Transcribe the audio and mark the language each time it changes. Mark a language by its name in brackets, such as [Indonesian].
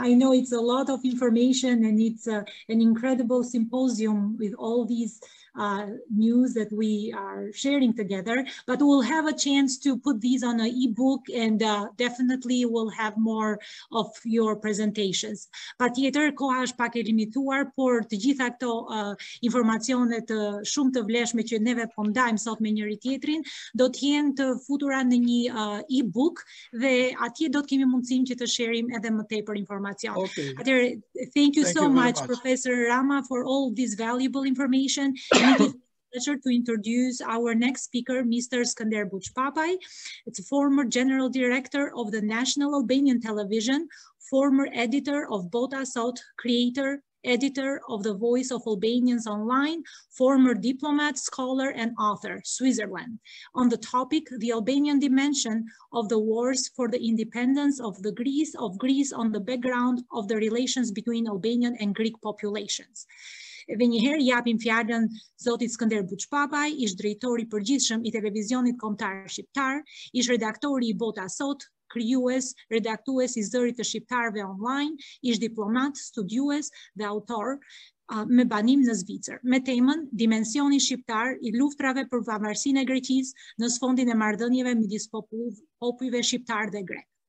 [English] I know it's a lot of information and it's an incredible symposium with all these news that we are sharing together, but we'll have a chance to put these on an ebook and definitely we'll have more of your presentations. [Albanian] Patjetër kohash pak e limituar, por të gjitha këto informacionet shumë të vleshme që neve po ndajmë sot me njëri tjetrin, do të jenë të futura në një ebook dhe atje do të kemi mundësinë që të sherim edhe më tepër informacion. [English] Okay. [Albanian] Atëherë, [English] thank you so much Professor Rama for all this valuable information. It is a pleasure to introduce our next speaker, Mr. Skënder Buçpapaj. It's a former general director of the National Albanian Television, former editor of Bota Sot, creator, editor of the Voice of Albanians Online, former diplomat, scholar, and author, Switzerland, on the topic, the Albanian dimension of the wars for the independence of the Greece, of Greece on the background of the relations between Albanian and Greek populations. [Albanian] Dhe njëherë japim fjallën Zotit Skënder Buçpapaj, ish drejtori përgjithshëm i televizionit kombëtar shqiptar, ish redaktori i Bota Sot, krijues, redaktues i zërit të shqiptarve online, ish diplomat, studiues dhe autor me banim në Zvicër, me temën Dimensioni Shqiptar i luftrave për pavarësinë e Greqisë në sfondin e marrëdhënieve midis popujve shqiptar dhe grek.